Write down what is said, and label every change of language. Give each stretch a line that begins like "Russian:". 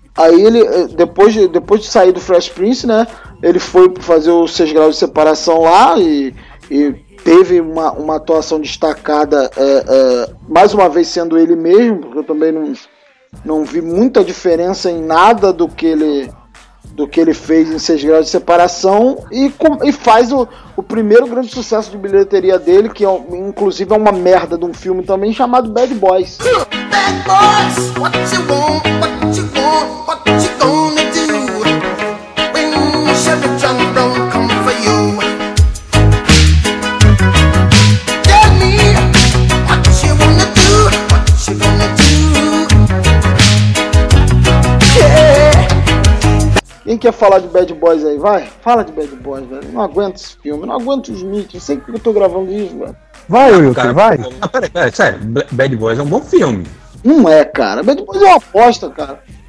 Portuguese: Aí ele, depois de sair do Fresh Prince, né, ele foi fazer os 6 graus de separação lá e teve uma atuação destacada, mais uma vez sendo ele mesmo, porque eu também não vi muita diferença em nada do que ele fez em 6 graus de separação e faz o primeiro grande sucesso de bilheteria dele, que inclusive é uma merda de um filme também chamado Bad Boys.
English: Bad Boys, what you want? What you gonna do when Chevy John don't come for you? Tell me what you wanna do, what you gonna do?
Portuguese: Quem quer falar de Bad Boys aí, vai? Fala de Bad Boys, velho. Eu não aguento esse filme, não aguento o Smith. Não sei porque eu tô gravando isso, velho. Vai, Wilton, cara, vai. Não, peraí, sério. Bad Boys é um bom filme. Não é, cara. Bad Boys é uma aposta, cara.